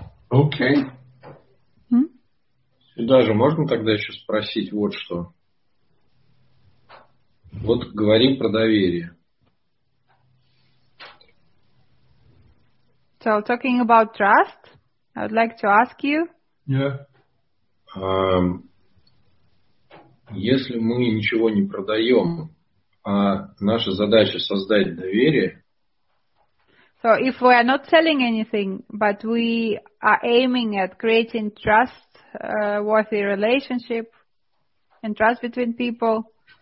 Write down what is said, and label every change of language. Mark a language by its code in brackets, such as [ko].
[ru] Окей. [en] Okay. [ru] Даже можно тогда еще спросить вот что? Вот говорим про доверие. [en] So, talking about trust, I would like to ask you. Yeah. [ru] Если мы ничего не продаем, а наша задача создать доверие. [en] So, if we are not selling anything, but we are aiming at creating trust, worthy relationship, and trust between people,